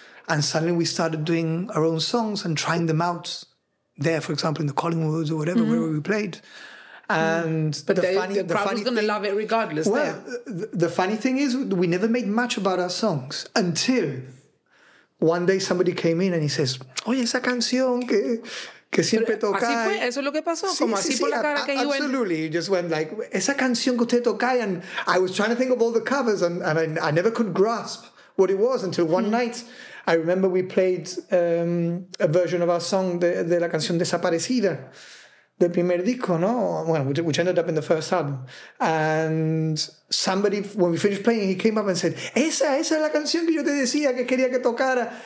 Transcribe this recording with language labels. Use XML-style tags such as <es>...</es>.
<en>And suddenly we started doing our own songs and trying them out there, for example, in the Collingwoods or whatever, wherever we played. But the crowd was going to love it regardless. Well, the funny thing is we never made much about our songs until one day somebody came in and he says,</en> <es>oye, esa canción que siempre toca. Así fue, eso es lo que pasó, como así por la cara que yo</es> <en>went. Absolutely, he just went like,</en> <es>esa canción que usted toca,</es> <en>and I was trying to think of all the covers and I never could grasp what it was until one night. I remember we played a version of our song,</en> <es>de la canción Desaparecida,</es> <en>the</en> <es>primer disco,</es> <en>no? Well, which ended up in the first album. And somebody, when we finished playing, he came up and said,</en> <es>esa es la canción que yo te decía que quería que tocara.</es>